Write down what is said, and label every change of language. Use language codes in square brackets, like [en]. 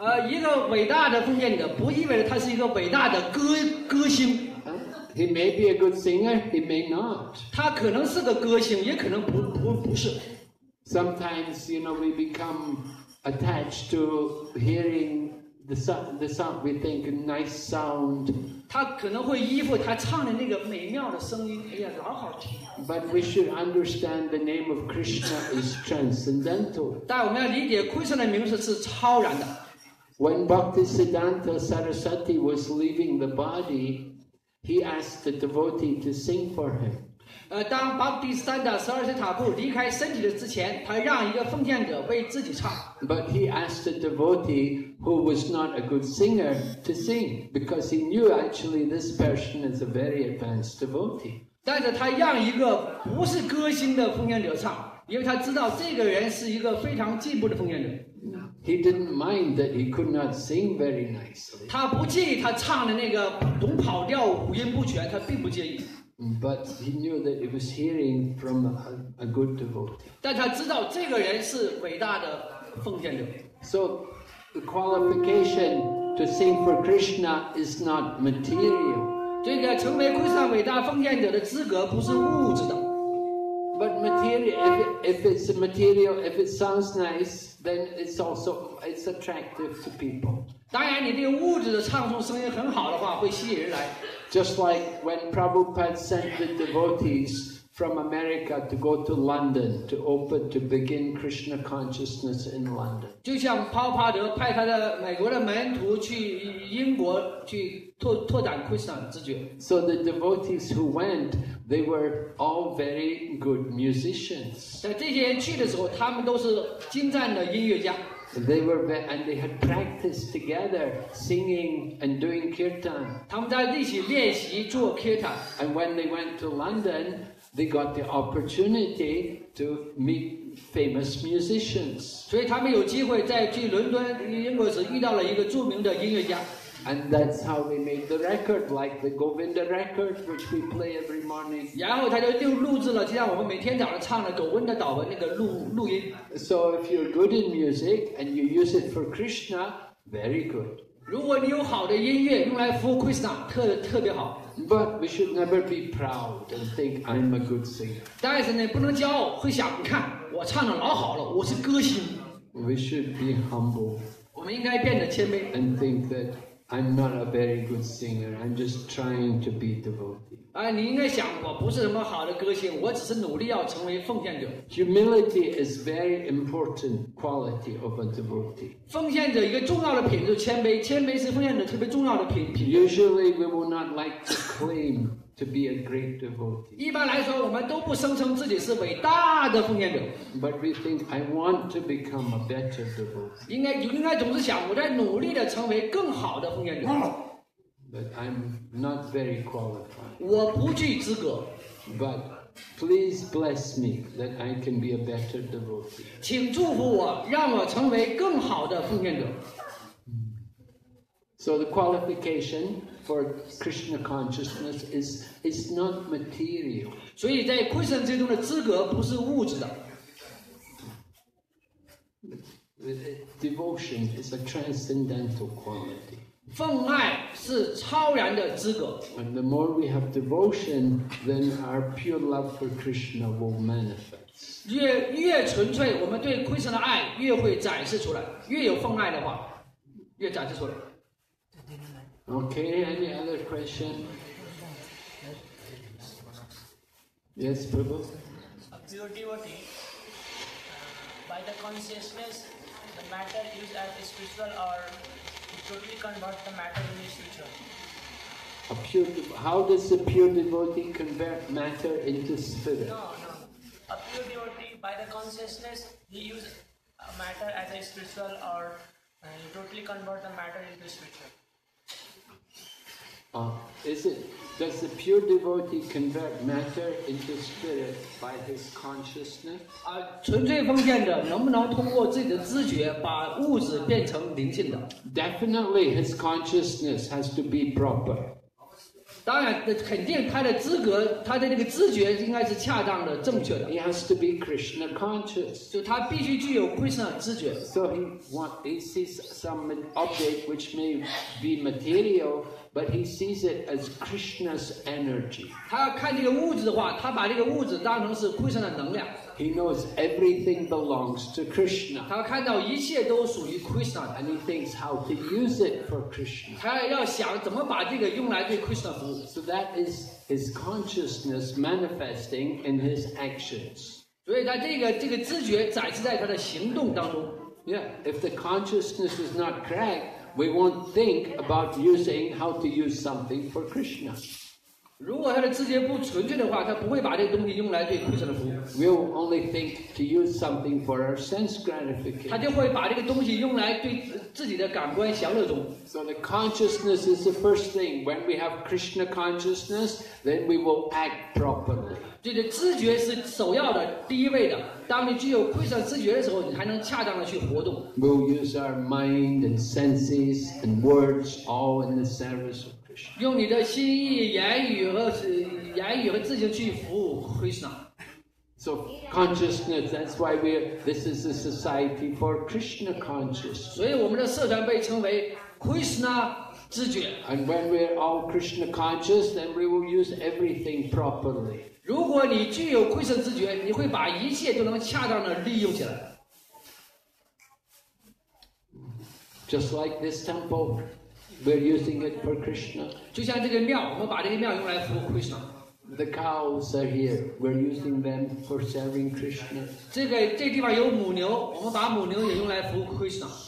[zh] 一个伟大的奉献者不意味着他是一个伟大的歌星。 [en] He may be a good singer, he may not. [zh] 他可能是个歌星，也可能不是。 [en] Sometimes, you know, we become attached to hearing the sound, we think a nice sound. [zh] 他可能会依附他唱的那个美妙的声音，哎呀，老好听。 [en] But we should understand the name of Krishna is transcendental. [zh] 但我们要理解 Krishna 的名字是超然的。 [en] When Bhaktisiddhanta Sarasvati was leaving the body, he asked the devotee to sing for him. [zh] 当 Bhaktisiddhanta Sarasvati 离开身体的之前，他让一个奉献者为自己唱。 [en] But he asked the devotee who was not a good singer to sing because he knew actually this person is a very advanced devotee. [zh] 但是他让一个不是歌星的奉献者唱，因为他知道这个人是一个非常进步的奉献者。 [en] He didn't mind that he could not sing very nicely. [zh] 他不介意他唱的那个总跑调五音不全，他并不介意。 [en] But he knew that he was hearing from a good devotee. [zh] 但他知道这个人是伟大的奉献者。 [en] So the qualification to sing for Krishna is not material. [zh] 这个成为Krishna伟大奉献者的资格不是物质的。 [en] But material, if it sounds nice, then it's attractive to people. [zh] 当然，你这个物质的唱诵声音很好的话，会吸引人来。 [en] Just like when Prabhupada sent the devotees from America to go to London to begin Krishna consciousness in London. [zh] 就像帕帕德派他的美国的门徒去英国去拓展 Krishna 知觉。 [en] So the devotees who went. They were all very good musicians. [zh] 在这些人去的时候，他们都是精湛的音乐家。 [en] They were and they had practiced together singing and doing kirtan. [zh] 他们在一起练习做 kirtan. [en] And when they went to London, they got the opportunity to meet famous musicians. [zh] 所以他们有机会在去伦敦英国时遇到了一个著名的音乐家。 [en] And that's how we made the record, like the Govinda record, which we play every morning. [zh] 然后他就录制了，就像我们每天早上唱的狗温的祷文那个录音。 [en] So if you're good in music and you use it for Krishna, very good. [zh] 如果你有好的音乐用来服务 Krishna, 特别好。 [en] But we should never be proud and think I'm a good singer. [zh] 但是呢，不能骄傲，会想你看我唱的老好了，我是歌星。 [en] We should be humble. [zh] 我们应该变得谦卑。 [en] And think that. I'm not a very good singer. I'm just trying to be devotee. [zh] 你应该想，我不是什么好的歌星，我只是努力要成为奉献者。 [en] Humility is very important quality of a devotee. [zh] 奉献者一个重要的品质，谦卑。谦卑是奉献者特别重要的品质。 [en] Usually, we will not like to claim to be a great devotee. [zh] 一般来说，我们都不声称自己是伟大的奉献者。 [en] But we think I want to become a better devotee. [zh] 应该总是想我在努力的成为更好的奉献者。 [en] But I'm not very qualified. [zh] 我不具资格。 [en] But please bless me that I can be a better devotee. [zh] 请祝福我，让我成为更好的奉献者。 [en] So the qualification for Krishna consciousness is not material. [zh] 所以在 Krishna 之中的资格不是物质的。 [en] Devotion is a transcendental quality. [zh] 奉爱是超然的资格。 [en] And the more we have devotion, then our pure love for Krishna will manifest. [zh] 越纯粹，我们对 Krishna 的爱越会展示出来。越有奉爱的话，越展示出来。 [en] Okay, any other question? Yes, Prabhu? A pure devotee, by the consciousness, the matter is as spiritual or totally convert the matter in the spiritual. How does a pure devotee convert matter into spirit? No. A pure devotee, by the consciousness, he uses matter as a spiritual or totally convert the matter into spiritual. Does the pure devotee convert matter into spirit by his consciousness? [zh] 纯粹奉献者能不能通过自己的知觉把物质变成灵性的？ [en] Definitely, his consciousness has to be proper. [zh] 当然，肯定他的资格，他的那个知觉应该是恰当的、正确的。 [en] He has to be Krishna conscious. [zh] 就他必须具有 Krishna 知觉。 [en] So he sees some object which may be material. But he sees it as Krishna's energy. [zh] 他看这个物质的话，他把这个物质当成是 Krishna 的能量。 [en] He knows everything belongs to Krishna. [zh] 他看到一切都属于 Krishna, [en] and he thinks how to use it for Krishna. [zh] 他要想怎么把这个用来对 Krishna 服务。 [en] So that is his consciousness manifesting in his actions. [zh] 所以他这个知觉展示在他的行动当中。 [en] Yeah, if the consciousness is not correct. We won't think about using how to use something for Krishna. [zh] 如果他的知觉不纯粹的话，他不会把这东西用来对 Krishna 服务。 [en] We'll only think to use something for our sense gratification. [zh] 他就会把这个东西用来对自己的感官享乐中。 [en] So the consciousness is the first thing. When we have Krishna consciousness, then we will act properly. [zh] 对的，知觉是首要的，第一位的。当你具有 Krishna 知觉的时候，你才能恰当的去活动。 [en] We'll use our mind and senses and words all in the service of Krishna. [zh] 用你的心意、言语和自行去服务 Krishna。 [en] So consciousness, that's why this is a society for Krishna consciousness. [zh] 所以我们的社团被称为 Krishna知觉。 [en] And when we're all Krishna conscious, then we will use everything properly. [zh] 如果你具有慧生之觉，你会把一切都能恰当的利用起来。 [en] Just like this temple, we're using it for Krishna. [zh] 就像这个庙，我们把这个庙用来服务 Krishna。 [en] The cows are here. We're using them for serving Krishna. [zh] 这地方有母牛，我们把母牛也用来服务 Krishna。